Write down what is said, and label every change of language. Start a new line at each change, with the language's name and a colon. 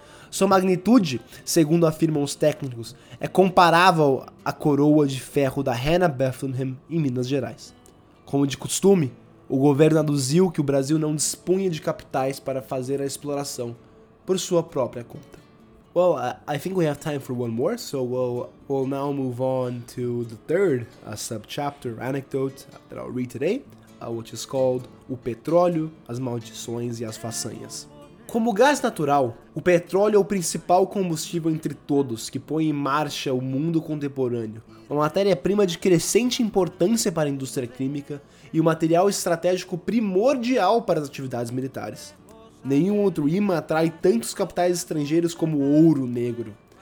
Portuguese: Sua magnitude, segundo afirmam os técnicos, é comparável à coroa de ferro da Hannah Bethlehem em Minas Gerais. Como de costume, o governo aduziu que o Brasil não dispunha de capitais para fazer a exploração por sua própria conta.
English: Well, I think we have time for one more, so we'll now move on to the third subchapter anecdote that I'll read today, which is called
Portuguese: O Petróleo, as Maldições e as Façanhas. Como gás natural, o petróleo é o principal combustível entre todos que põe em marcha o mundo contemporâneo, uma matéria-prima de crescente importância para a indústria química e um material estratégico primordial para as atividades militares. Nenhum outro imã atrai tantos capitais estrangeiros como o ouro negro.